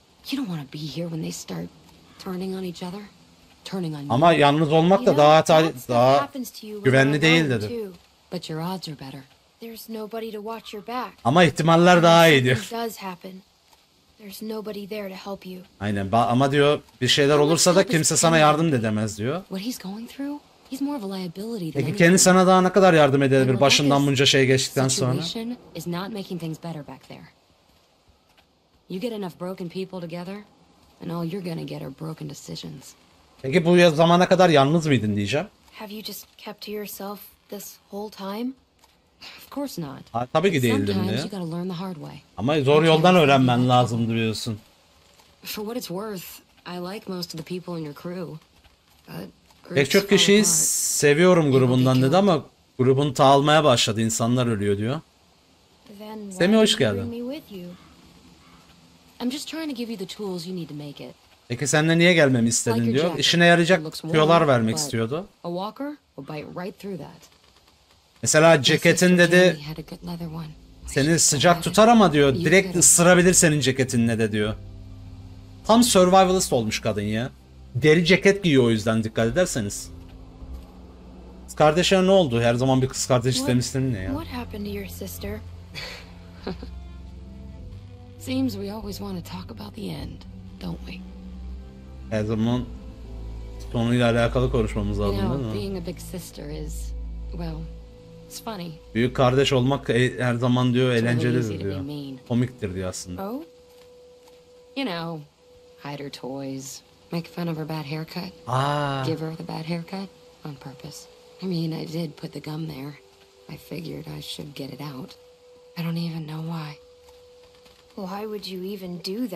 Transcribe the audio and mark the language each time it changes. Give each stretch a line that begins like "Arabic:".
English: You don't want to be here when they start turning on each other, turning on you.
Turkish: Ama yalnız olmak da daha güvenli değil dedi.
English: But your odds are better. There's nobody to watch your back.
Turkish: Ama ihtimaller daha iyidir.
English: It does happen. There's nobody there to help you.
Turkish: Aynen. Ama diyor bir şeyler olursa da kimse sana yardım edemez diyor.
English: What he's going through? He's more of a liability than.
Turkish: Peki kendi sana daha ne kadar yardım edebilir başından bunca şey geçtikten sonra?
English: Situation is not making things better back there. You get enough broken people together and all you're gonna get are broken decisions.
Turkish: Peki bu zamana kadar yalnız mıydın diyeceğim.
English: Have you just kept to yourself this whole time? Of course not.
Turkish: Tabii ki değildim ya.
English: You gotta learn the hard way.
Turkish: Ama zor yoldan öğrenmen lazımdı diyorsun.
English: For what it's worth, I like most of the people in your crew.
Turkish: Pek çok kişiyi seviyorum grubundan dedi ama grubun dağılmaya başladı, insanlar ölüyor diyor. Semih hoş geldin.
English: I'm just trying to give you the tools you need to make it.
Turkish: Peki senle niye gelmemi istedin diyor. İşine yarayacak tüyolar vermek istiyordu.
English: A walker will bite right through that.
Turkish: Mesela ceketin dedi seni sıcak tutar ama diyor direkt ısırabilir senin ceketinle de diyor. Tam survivalist olmuş kadın ya. Deri ceket giyiyor o yüzden dikkat ederseniz. Kız kardeşe ne oldu? Her zaman bir kız kardeş istemiştin ne ya?
English: What happened to your sister? Seems we always want to talk about the end, don't we?
Turkish: Her zaman sonuyla alakalı konuşmamız lazım değil mi?
English: Being a big sister is, well, it's funny.
Turkish: Büyük kardeş olmak her zaman diyor eğlencelidir diyor. Komiktir diyor aslında.
English: Oh? You know, hide her toys, make fun of her bad haircut. Ah. Give her the bad haircut on purpose. I mean, I did put the gum there. I figured I should get it out. I don't even know why. Why would you even do that?